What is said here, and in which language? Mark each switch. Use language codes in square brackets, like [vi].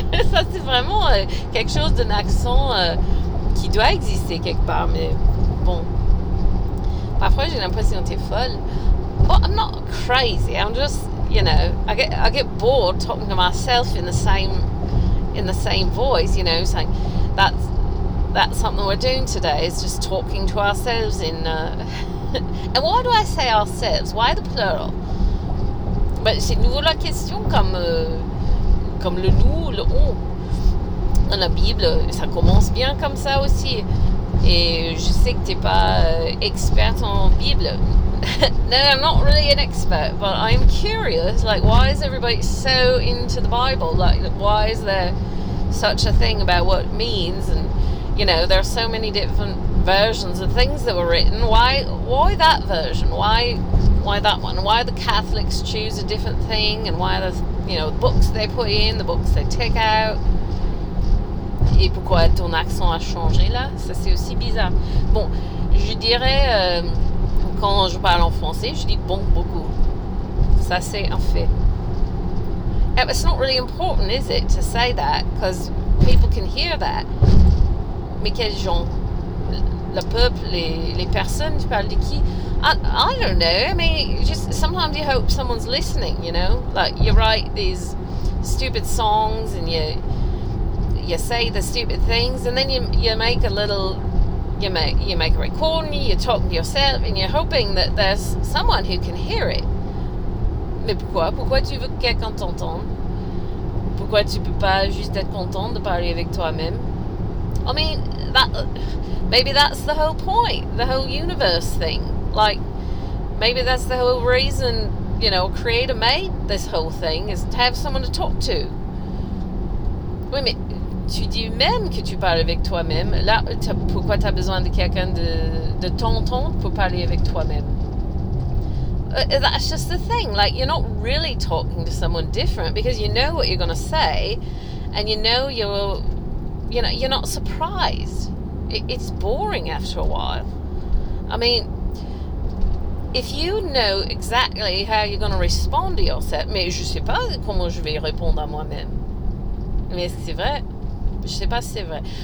[fr] Ça, c'est vraiment quelque chose d'un accent qui doit exister quelque part, mais bon. Parfois, j'ai l'impression que t'es folle. [en] But I'm not crazy. I'm just, you know, I get bored talking to myself in the same voice, you know, saying that's something we're doing today, is just talking to ourselves in... And why do I say ourselves? Why the plural? [fr] But c'est nouveau la question comme... Comme le nous, le on. Dans la Bible, ça commence bien comme ça aussi. Et je sais que tu n'es pas experte en Bible. [en] No, I'm not really an expert, but I'm curious. Like, why is everybody so into the Bible? Like, why is there such a thing about what it means? And, you know, there are so many different versions of things that were written. Why that version? Why that one? Why the Catholics choose a different thing? And why the... You know, the books they put in, the books they take out. [fr] Et pourquoi ton accent a changé là? Ça, c'est aussi bizarre. Bon, je dirais, quand je parle en français, je dis bon beaucoup. Ça, c'est un fait. [en] It's not really important, is it, to say that? Because people can hear that. [fr] Mais quels gens? Le peuple, les personnes, tu parles de qui? [en] I don't know, I mean, just sometimes you hope someone's listening, you know? Like, you write these stupid songs and you say the stupid things and then you make a recording, you talk to yourself and you're hoping that there's someone who can hear it. [fr] Mais pourquoi? Pourquoi tu veux que quelqu'un t'entende? Pourquoi tu peux pas juste être content de parler avec toi-même? [en] I mean, maybe that's the whole point, the whole universe thing. Like, maybe that's the whole reason, you know, Creator made this whole thing, is to have someone to talk to. [fr] Oui, mais tu dis même que tu parles avec toi-même. Là, pourquoi t'as besoin de quelqu'un de t'entendre pour parler avec toi-même? [en] That's just the thing. Like, you're not really talking to someone different because you know what you're going to say and you know you're not surprised. It's boring after a while. I mean... If you know exactly how you're going to respond to yourself, [fr] mais je sais pas comment je vais répondre à moi-même. Mais est-ce que c'est vrai? Je sais pas si c'est vrai.